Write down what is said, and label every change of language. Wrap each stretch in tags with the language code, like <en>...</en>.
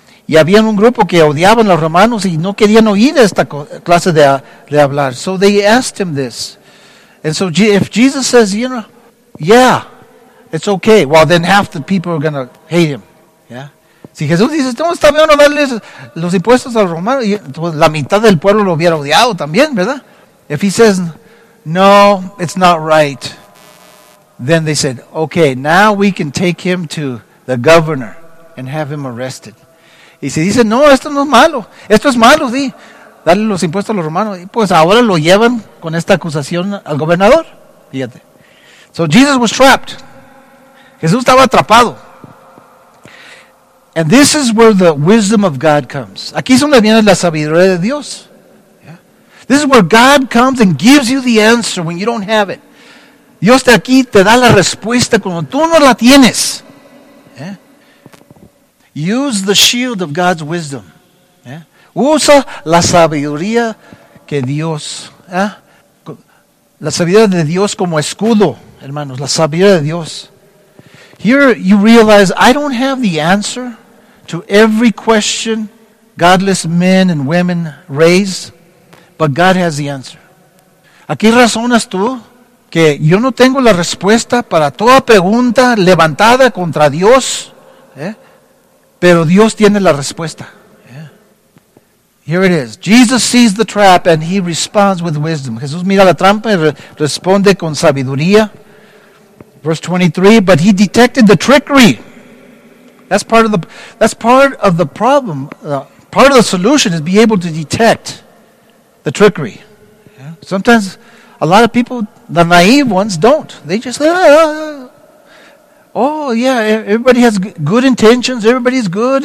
<es>Y había un grupo que odiaban a los romanos y no querían oír esta clase de hablar.</es> <en>So they asked him this. And so if Jesus says, you know, yeah, it's okay, well then half the people are going to hate him. Yeah.</en> <es>Si Jesús dice, no, está bien no darles los impuestos a los romanos, la mitad del pueblo lo hubiera odiado también, ¿verdad?</es> <en>If he says, no, it's not right, then they said, okay, now we can take him to the governor and have him arrested.</en> <es>Y si dice, no, esto no es malo, esto es malo, sí, darle los impuestos a los romanos, pues ahora lo llevan con esta acusación al gobernador, fíjate.</es> <en>So Jesus was trapped.</en> <es>Jesús estaba atrapado.</es> <en>And this is where the wisdom of God comes.</en> <es>Aquí es donde viene la sabiduría de Dios.</es> <en>Yeah. This is where God comes and gives you the answer when you don't have it.</en> <es>Dios de aquí te da la respuesta cuando tú no la tienes. Yeah.</es> <en>Use the shield of God's wisdom.</en> <es>Yeah. Usa la sabiduría que Dios, la sabiduría de Dios como escudo, hermanos, la sabiduría de Dios.</es> <en>Here you realize I don't have the answer to every question godless men and women raise, but God has the answer.</en> <es>Aquí razonas tú que yo no tengo la respuesta para toda pregunta levantada contra Dios, pero Dios tiene la respuesta.</es> <en>Yeah. Here it is. Jesus sees the trap and he responds with wisdom.</en> <es>Jesús mira la trampa y responde con sabiduría.</es> <en>Verse 23, but he detected the trickery. Part of the solution is be able to detect the trickery. Yeah. Sometimes a lot of people, the naive ones, don't. They just, everybody has good intentions, everybody's good.</en>